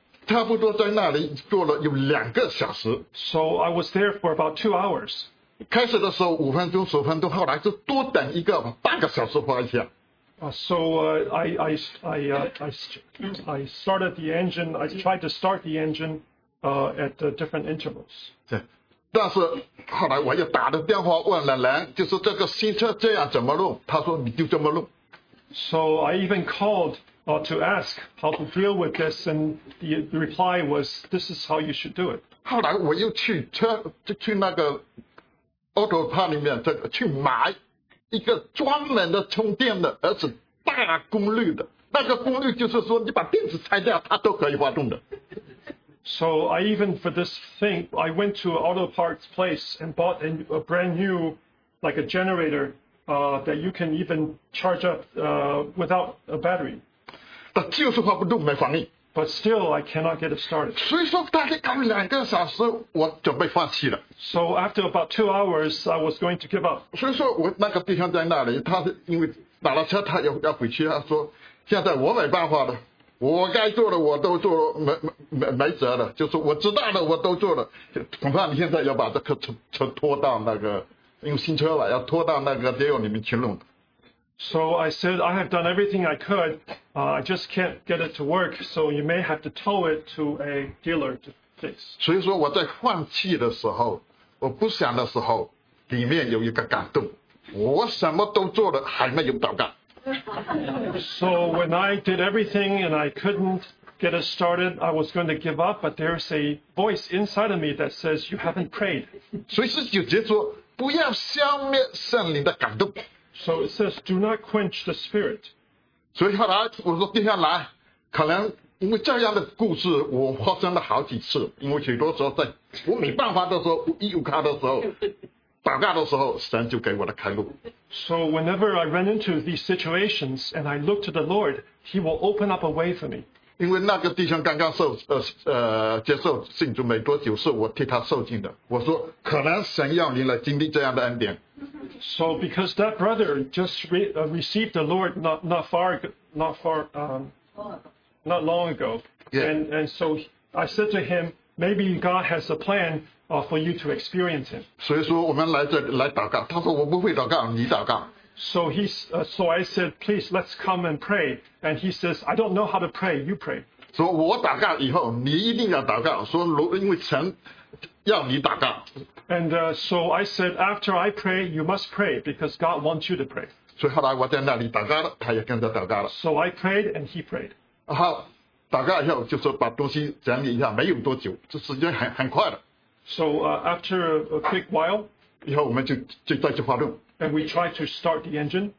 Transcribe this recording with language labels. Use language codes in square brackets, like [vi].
[zh] 差不多在那里做了有两个小时。 [en] So I was there for about 2 hours. [zh] 开始的时候五分钟十分钟，后来就多等一个半个小时发一下。 [en] So I started the engine. I tried to start the engine at different intervals. [zh] 对。但是后来我又打了电话问了人，就是这个新车这样怎么弄，他说你就这么弄。 [en] So I even called to ask how to deal with this, and the reply was, this is how you should do it. [zh] 后来我又去那个 auto part 里面去买一个专门的充电的，而且大功率的，那个功率就是说你把电池拆掉它都可以发动的。 [en] So I even for this thing, I went to an auto parts place and bought a brand new, like a generator, that you can even charge up without a battery. [zh] 但就是发不动，没反应。 [en] But still, I cannot get it started. [zh] 所以说大概搞两个小时，我准备放弃了。 [en] So after about 2 hours, I was going to give up. [zh] 所以说我那个弟兄在那里，他因为打了车，他要回去，他说现在我没办法了。我该做的我都做了，没辙了，就是我知道的我都做了，恐怕你现在要把这个车拖到那个，用新车吧，要拖到那个地方里面去弄。 [en] So I said I have done everything I could, I just can't get it to work, so you may have to tow it to a dealer to fix. [zh] 所以说我在放弃的时候，我不想的时候，里面有一个感动，我什么都做了还没有祷告。 [en] So when I did everything and I couldn't get it started, I was going to give up, but there's a voice inside of me that says, you haven't prayed. [zh] So 19节说不要消灭圣灵的感动。 [en] So it says, do not quench the spirit. [zh] 所以后来我说接下来, 可能, 因为这样的故事, 我发生了好几次, 因为许多时候在, 我没办法的时候, 一无卡的时候, 祷告的时候, 神就给我的开路。 [en] So whenever I ran into these situations and I looked to the Lord, He will open up a way for me. [zh] 因为那个弟兄刚刚受接受信主没多久，是我替他受尽的。我说，可能神要您来经历这样的恩典。 [en] So because that brother just received the Lord not long ago, yeah. And so I said to him, maybe God has a plan for you to experience Him. [zh] 所以说我们来这来祷告，他说我不会祷告，你祷告。 [en] So so I said, please, let's come and pray. And he says, I don't know how to pray, you pray. [zh] So 我祷告以后，你一定要祷告，说因为神要你祷告。 [en] And so I said, after I pray, you must pray because God wants you to pray. [zh] 所以后来我在那里祷告了，他也跟着祷告了。So [en] I prayed and he prayed. [zh] 好，祷告以后就说把东西整理一下，没有多久，这时间很快的。So [en] after a quick while, [zh] 以后我们就带去发动。 [en] And we tried to start the engine.